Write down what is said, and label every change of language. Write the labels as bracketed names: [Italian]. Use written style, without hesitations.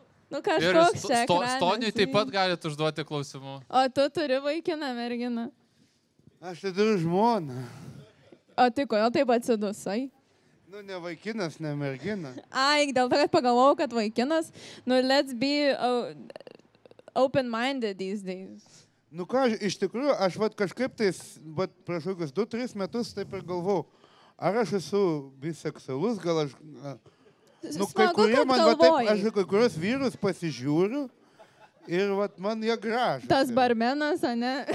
[Lithuanian] Nu, kažkoks čia ekranas. Stoniui taip pat galit užduoti klausimų. O tu turi vaikiną, merginą? Aš tai turiu žmoną. O tai kodėl taip atsidusai? Nu, ne vaikinas, ne mergina. Ai, dėl to, kad pagalvojau, kad vaikinas. Nu, [English] let's be open-minded these days. [Lithuanian] Nu, ką, iš tikrųjų, aš vat kažkaip tais, vat prieš kokius 2-3 metus taip ir galvojau, ar aš esu biseksualus, gal aš... Nu, smagu, kai kurie, kad man, galvoji. Va, taip, aš kai kurios vyrus pasižiūriu ir vat man jie gražas. Tas barmenas, ane?